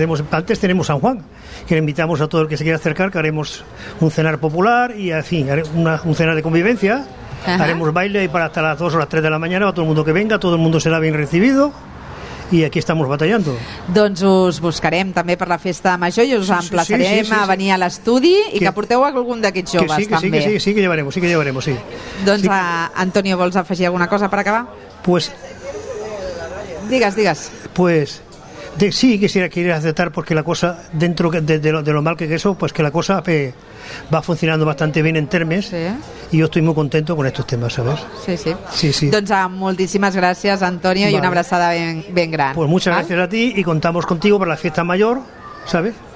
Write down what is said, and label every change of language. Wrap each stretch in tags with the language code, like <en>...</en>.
<es>Antes tenemos San Juan, que le invitamos a todo el que se quiera acercar, que haremos un cenar popular y, en fin, un cenar de convivencia. Ajá. Haremos baile y para hasta las 2 o las 3 de la mañana, para todo el mundo que venga, todo el mundo será bien recibido. I aquí estamos batallando.</es> <ca>Doncs us buscarem també per la festa major i us emplaçarem a venir a l'estudi i que porteu algun d'aquests joves també.</ca> <es>Sí que llevaremos.</es> <ca>Doncs sí. Antonio, vols afegir alguna cosa per acabar?</ca> <es>Pues...</es> <ca>Digues.</ca> <es>Pues... sí, quisiera que quieras aceptar porque la cosa, dentro de lo mal que eso, pues que la cosa va funcionando bastante bien en Termes, sí. Y yo estoy muy contento con estos temas, ¿sabes? Sí.</es> <ca>Doncs moltíssimes gràcies, Antonio, vale.</ca> <es>Y una</es> <ca>abraçada ben gran.</ca> <es>Pues muchas gràcies a ti y contamos contigo para la fiesta mayor, ¿sabes?</es>